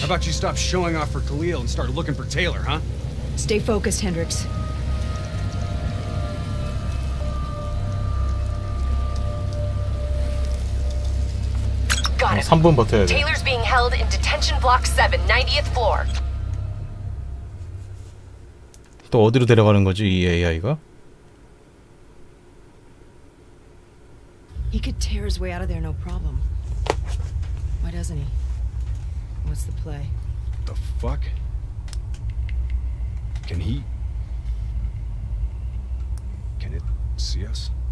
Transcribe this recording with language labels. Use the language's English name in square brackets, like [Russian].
[English] How about you stop showing off for Khalil and start looking for Taylor, huh? Stay focused, Hendrix. [Korean] 3분 버텨야 돼. [English] Taylor's being held in detention block 7, 90th floor. [Korean] 또 어디로 데려가는 거지, 이 AI가? [English] He could tear his way out of there no problem. Why doesn't he? What's the play? The fuck? Can he? Can it see us?